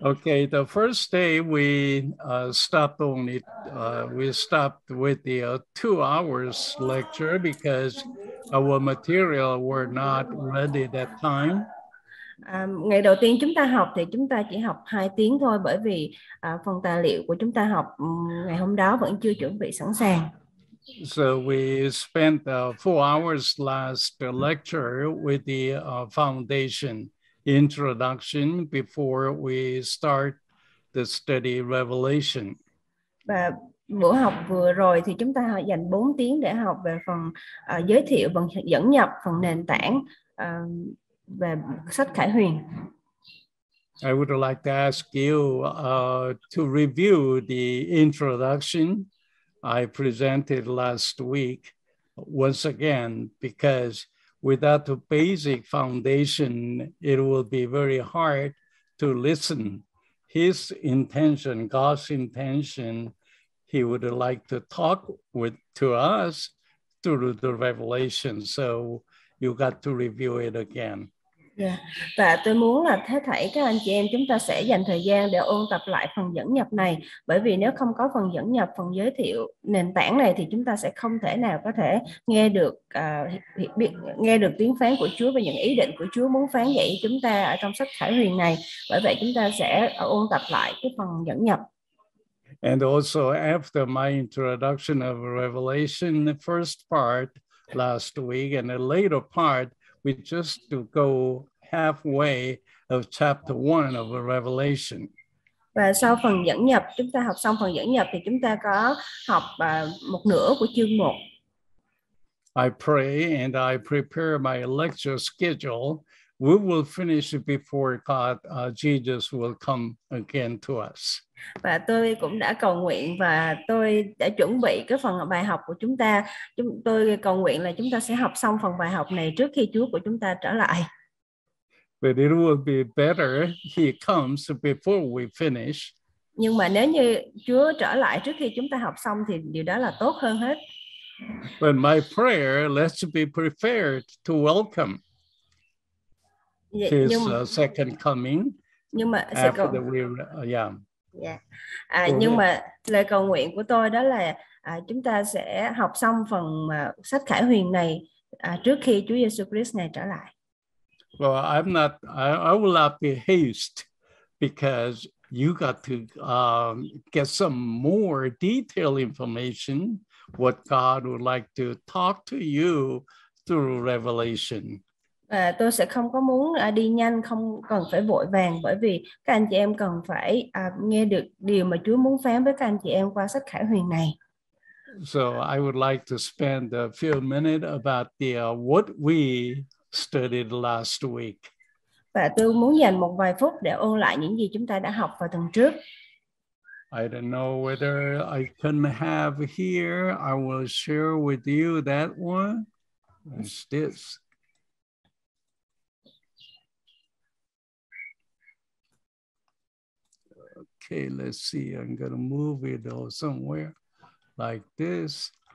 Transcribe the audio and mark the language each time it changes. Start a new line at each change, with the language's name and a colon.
English: Okay, the first day we stopped with the 2 hours lecture because our material were not ready that time.
Vietnamese: Ngày đầu tiên chúng ta học thì chúng ta chỉ học 2 tiếng thôi bởi vì phần tài liệu của chúng ta học ngày hôm đó vẫn chưa chuẩn bị sẵn sàng.
English: So we spent 4 hours last lecture with the foundation introduction before we start the study Revelation.
Vietnamese: Và buổi học vừa rồi thì chúng ta dành 4 tiếng để học về phần giới thiệu, phần dẫn nhập, phần nền tảng về sách Khải Huyền.
English: I would like to ask you to review the introduction I presented last week once again, because without the basic foundation, it will be very hard to listen. His intention, God's intention, he would like to talk with to us through the revelation. So you got to review it again. Yeah.
Vietnamese: Và tôi muốn là hết thảy các anh chị em chúng ta sẽ dành thời gian để ôn tập lại phần dẫn nhập này, bởi vì nếu không có phần dẫn nhập, phần giới thiệu nền tảng này thì chúng ta sẽ không thể nào có thể nghe được tiếng phán của Chúa và những ý định của Chúa muốn phán dạy chúng ta ở trong sách Khải Huyền này. Bởi vậy chúng ta sẽ ôn tập lại cái phần dẫn nhập.
English: And also after my introduction of Revelation, the first part last week and the later part, we just to go halfway of chapter 1 of Revelation.
Vietnamese: Và sau phần dẫn nhập, chúng ta học xong phần dẫn nhập thì chúng ta có học một nửa của chương 1.
English: I pray and I prepare my lecture schedule. We will finish it before God, Jesus will come again to us.
Vietnamese: Và tôi cũng đã cầu nguyện và tôi đã chuẩn bị cái phần bài học của chúng ta. Tôi cầu nguyện là chúng ta sẽ học xong phần bài học này trước khi Chúa của chúng ta trở lại.
English: But it will be better he comes before we finish.
Vietnamese: Nhưng mà nếu như Chúa trở lại trước khi chúng ta học xong thì điều đó là tốt hơn hết.
English: But my prayer, let's be prepared to welcome his second coming.
Vietnamese: Nhưng mà
English: after the yeah. Yeah.
Vietnamese: Mà lời cầu nguyện của tôi đó là chúng ta sẽ học xong phần sách Khải Huyền này trước khi Chúa Giêsu Christ ngài trở lại.
English: Well, I will not be haste because you got to get some more detailed information what God would like to talk to you through Revelation.
Vietnamese: Tôi sẽ không có muốn đi nhanh, không cần phải vội vàng bởi vì các anh chị em cần phải nghe được điều mà Chúa muốn phán với các anh chị em qua sách Khải Huyền này.
English: So I would like to spend a few minutes about the what we studied last week.
Vietnamese: Và tôi muốn dành một vài phút để ôn lại những gì chúng ta đã học vào tuần trước.
English: I don't know whether I can have here. I will share with you that one. It's this. Okay, let's see. I'm gonna move it or somewhere like this.